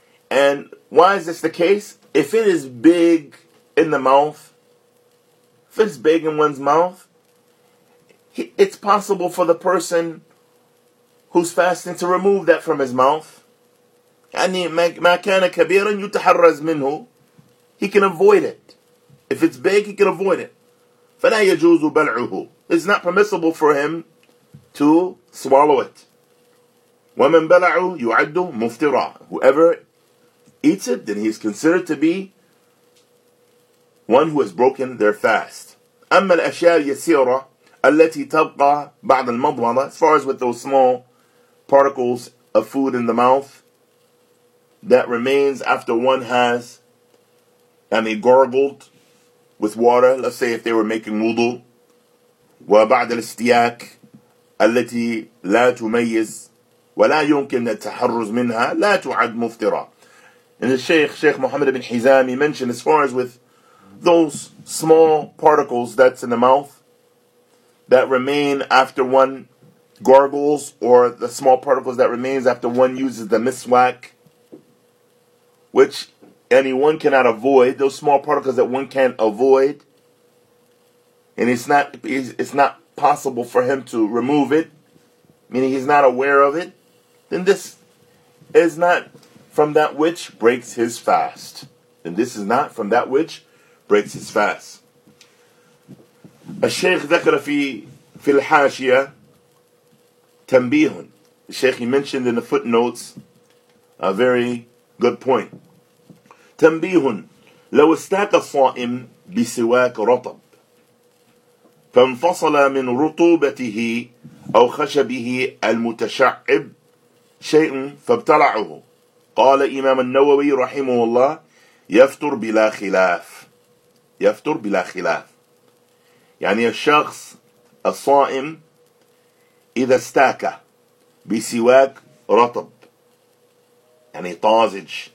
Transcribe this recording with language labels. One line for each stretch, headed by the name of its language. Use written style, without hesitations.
English: And why is this the case? If it is big in the mouth, if it's big in one's mouth, it's possible for the person who's fasting to remove that from his mouth.
Arabic: يعني ما كان كبيرا يتحرز منه.
English: He can avoid it. If it's big, he can avoid it.
Arabic: فلا يجوز بلعه.
English: It's not permissible for him to swallow it.
Arabic: وَمَنْ بَلَعُ يُعَدُّ مُفْتِرًا.
English: Whoever eats it, then he is considered to be one who has broken their fast.
Arabic: أَمَّا الْأَشْيَاءَ الْيَسِيرَةَ الَّتِي تَبْقَى بَعْدَ الْمَضْمَضَةَ.
English: As far as with those small particles of food in the mouth that remains after one has gargled with water, let's say if they were making wudu.
Arabic: وبعد الاستياك التي لا تميز ولا يمكن التحرز منها لا تعد مفترة.
English: And the Sheikh Muhammad ibn Hizam, he mentioned as far as with those small particles that's in the mouth that remain after one gargles, or the small particles that remains after one uses the miswak, which anyone cannot avoid, those small particles that one can't avoid, and it's not possible for him to remove it, meaning he's not aware of it, then this is not from that which breaks his fast. And this is not from that which breaks his fast.
Arabic: الشيخ ذكر في الحاشية تنبيه.
English: The Sheikh, he mentioned in the footnotes a very good point.
Arabic: تنبيه لو استاك صائم بسواك رطب فانفصل من رطوبته أو خشبه المتشعب شيء فابتلعه قال إمام النووي رحمه الله يفطر بلا خلاف يفطر بلا خلاف يعني الشخص الصائم إذا استاك بسواك رطب يعني طازج